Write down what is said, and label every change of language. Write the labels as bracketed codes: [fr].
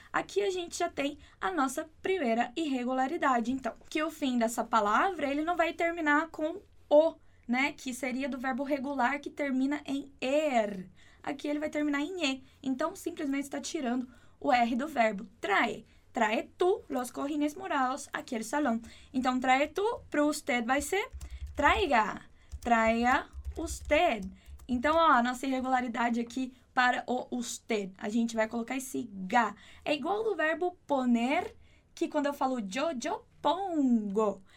[pt] Aqui a gente já tem a nossa primeira irregularidade. Então, que o fim dessa palavra, ele não vai terminar com o, né? Que seria do verbo regular que termina em er. Aqui ele vai terminar em e. Então, simplesmente está tirando o R do verbo. [es] Trae tú los cojines morados aquí al salón. [pt] Então, [es] trae tú [pt] para usted vai ser [es] traiga usted. [pt] Então, ó, a nossa irregularidade aqui para o usted. A gente vai colocar esse ga. É igual do verbo poner, que quando eu falo [es] yo pongo.